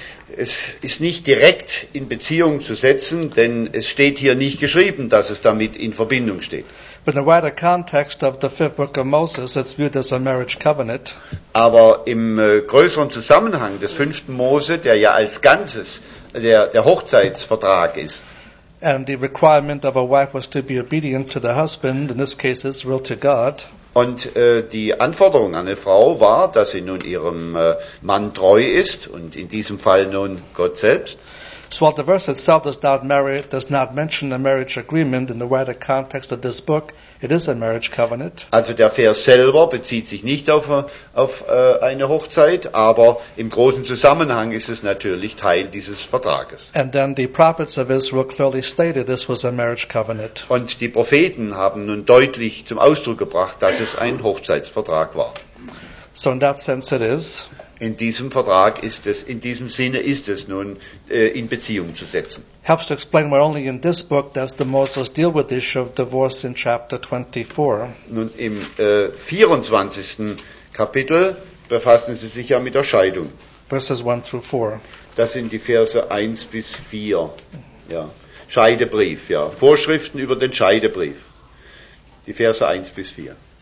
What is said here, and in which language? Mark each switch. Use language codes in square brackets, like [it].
[de] Es ist nicht direkt in Beziehung zu setzen, denn es steht hier nicht geschrieben, dass es damit in Verbindung steht. [en] But in the wider context of the fifth book of Moses, it's viewed as a marriage covenant. [de] Aber im größeren Zusammenhang des 5. Mose, der ja als Ganzes der Hochzeitsvertrag ist. [en] And the requirement of a wife was to be obedient to the husband, in this case Israel to God. [de] Und die Anforderung an eine Frau war, dass sie nun ihrem Mann treu ist und in diesem Fall nun Gott selbst. [en] So while the verse itself does not mention a marriage agreement in the wider context of this book, it is a marriage covenant. [de] Also der Vers selber bezieht sich nicht auf eine Hochzeit, aber im großen Zusammenhang ist es natürlich Teil dieses Vertrages. [en] And then the prophets of Israel clearly stated this was a marriage covenant. [de] Und die Propheten haben nun deutlich zum Ausdruck gebracht, dass es ein Hochzeitsvertrag war. [en] So in that sense it is. [de] In diesem Vertrag ist es, in diesem Sinne ist es nun in Beziehung zu setzen. [en] Helps to explain why only in this book does the Moses deal with the issue of divorce in chapter 24. [de] Nun im 24. Kapitel befassen sie sich ja mit der Scheidung. [en] Verses 1 through 4. [de] Das sind die Verse 1 bis 4. Ja. Scheidebrief, ja. Vorschriften über den Scheidebrief. Die Verse 1 bis 4.